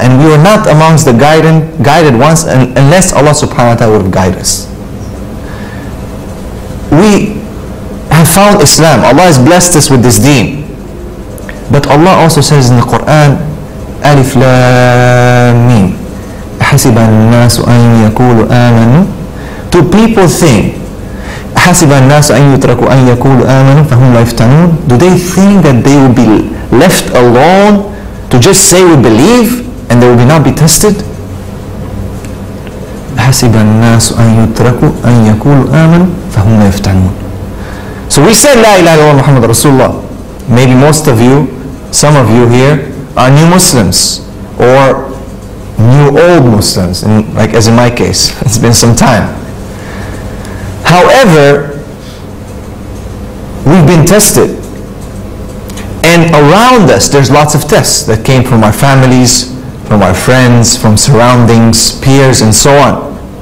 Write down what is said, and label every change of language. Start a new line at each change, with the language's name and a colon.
English: And we were not amongst the guided ones unless Allah subhanahu wa ta'ala would guide us. We have found Islam. Allah has blessed us with this deen. But Allah also says in the Quran, Alif Lam Mim.
Arabic: أحسب الناس أن يقولوا آمنوا.
English: Do people think,
Arabic: أحسب الناس أن يتركوا أن يقولوا آمنوا فهم لا يفتنون.
English: Do they think that they will be left alone to just say we believe and they will not be tested?
Arabic: أحسب الناس أن يتركوا أن يقولوا آمنوا فهم لا يفتنون.
English: So we say
Arabic: لا إله إلا الله محمد رسول الله.
English: Maybe most of you, some of you here, are new Muslims or new old Muslims, and like as in my case, it's been some time. However, we've been tested, and around us there's lots of tests that came from our families, from our friends, from surroundings, peers, and so on.